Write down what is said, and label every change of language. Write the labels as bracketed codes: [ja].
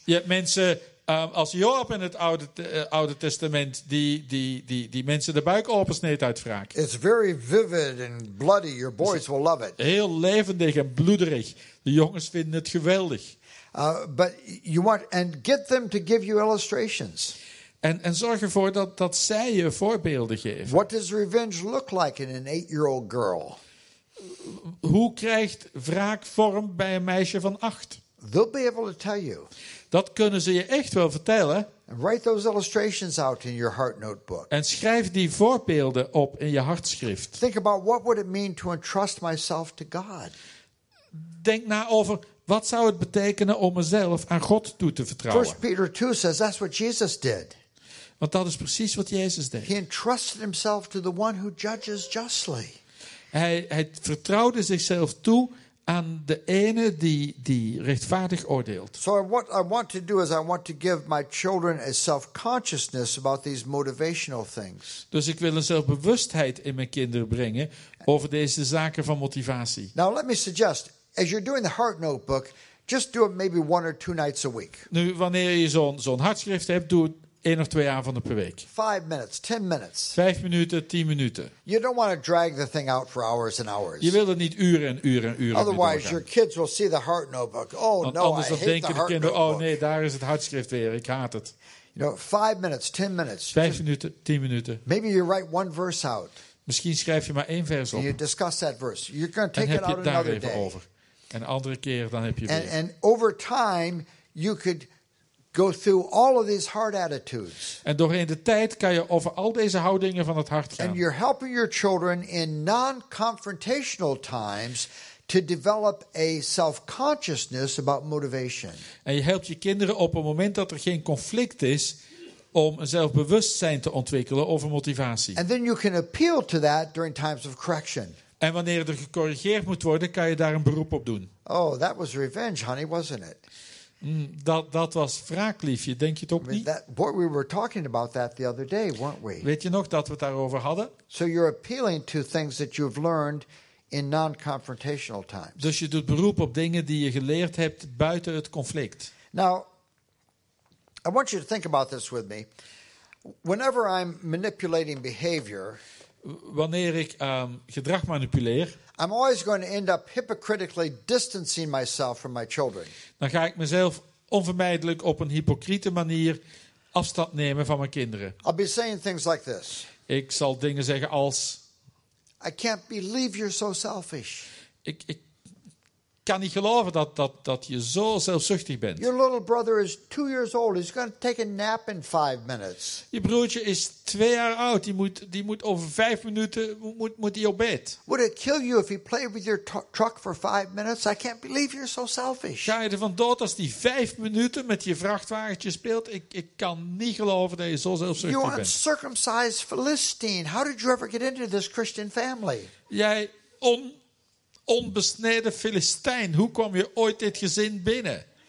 [nl] Je hebt mensen als Joab in het Oude Testament die mensen de buik opensneed uit wraak. [en] It's very vivid and bloody. Your boys will love it. [nl] Heel levendig en bloederig. De jongens vinden het geweldig. [en] But you want and get them to give you illustrations. [nl] En zorg ervoor dat zij je voorbeelden geven. [en] What does revenge look like in an 8-year-old girl? [nl] Hoe krijgt wraak vorm bij een meisje van 8? [en] They'll be able to tell you. [nl] Dat kunnen ze je echt wel vertellen. [en] And write those illustrations out in your heart notebook. [nl] En schrijf die voorbeelden op in je hartschrift. [en] Think about what would it mean to entrust myself to God. [nl] Denk na over wat zou het betekenen om mezelf aan God toe te vertrouwen. [en] 1 Peter 2 says that's what Jesus did. [nl] Want dat is precies wat Jezus deed. [en] He entrusted himself to the one who judges justly. [nl] Hij vertrouwde zichzelf toe aan de ene die rechtvaardig oordeelt. [en] So what I want to do is I want to give my children a self-consciousness about these motivational things. [nl] Dus ik wil een zelfbewustheid in mijn kinderen brengen over deze zaken van motivatie. [en] Now let me suggest, as you're doing the heart notebook, just do it maybe one or two nights a week. [nl] Nu, wanneer je zo'n hartschrift hebt, doe het 1 of 2 avonden per week. [en] 5 minutes, 10 minutes. [nl] 5 minuten, 10 minuten. [en] You don't want to drag the thing out for hours and hours. [nl] Je wil er niet uren en uren en uren. [en] Otherwise, your kids will see the heart notebook. Oh [nl] Want [en] no, I hate the heart [nl] kinderen, [en] notebook. [nl] Oh nee, daar is het hartschrift weer. Ik haat het. [en] You know, 5 minutes, 10 minutes. [nl] 5 minuten, 10 minuten. [en] Maybe you write one verse out. [nl] Misschien schrijf je maar 1 vers op. [en] And you discuss that verse. You're going to take it out another [nl] day. En heb je daar even over? En andere keer dan heb je weer. [en] And over time, you could go through all of these hard attitudes. [nl] En doorheen de tijd kan je over al deze houdingen van het hart gaan. [en] And you're helping your children in non-confrontational times to develop a self-consciousness about motivation. [nl] En je helpt je kinderen op een moment dat er geen conflict is om een zelfbewustzijn te ontwikkelen over motivatie. [en] And then you can appeal to that during times of correction. [nl] En wanneer er gecorrigeerd moet worden, kan je daar een beroep op doen. [en] Oh, that was revenge, honey, wasn't it? [nl] Dat was wraakliefje, denk je het ook niet? [en] That, boy, we were talking about that the other day, weren't we? [nl] Weet je nog dat we het daarover hadden? [en] So you're appealing to things that you've learned in non-confrontational times. [nl] Dus je doet beroep op dingen die je geleerd hebt buiten het conflict. [en] Now, I want you to think about this with me. Whenever I'm manipulating behavior, [nl] wanneer ik gedrag manipuleer, [en] I'm always going to end up hypocritically distancing myself from my children. [nl] Dan ga ik mezelf onvermijdelijk op een hypocriete manier afstand nemen van mijn kinderen. [en] I'll be saying things like this. [nl] Ik zal dingen zeggen als [en] I can't believe you're so selfish. [nl] Ik kan niet geloven dat je zo zelfzuchtig bent. [en] Your little brother is 2 years old. He's going to take a nap in 5 minutes. [nl] Je broertje is 2 jaar oud. Die moet over 5 minuten moet hij op bed. [en] Would it kill you if he played with your truck for 5 minutes? I can't believe you're so selfish. [nl] Ga je ervan dood als die 5 minuten met je vrachtwagentje speelt? Ik kan niet geloven dat je zo zelfzuchtig [en] you're [nl] bent. [en] You uncircumcised Philistine. How did you ever get into this Christian family? [nl] Jij onbesneden Filistijn, hoe kwam je ooit dit gezin binnen?